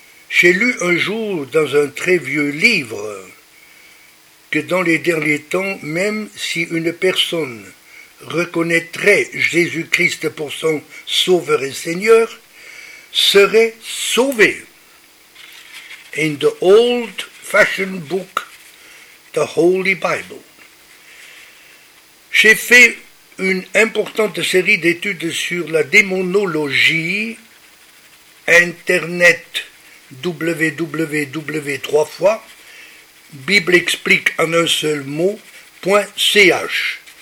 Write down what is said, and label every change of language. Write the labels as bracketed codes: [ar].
[fr] J'ai lu un jour dans un très vieux livre que dans les derniers temps, même si une personne reconnaîtrait Jésus-Christ pour son Sauveur et Seigneur, serait sauvée. [en] In the old-fashioned book, the Holy Bible. [fr] J'ai fait une importante série d'études sur la démonologie, internet www.bibleexplique.ch.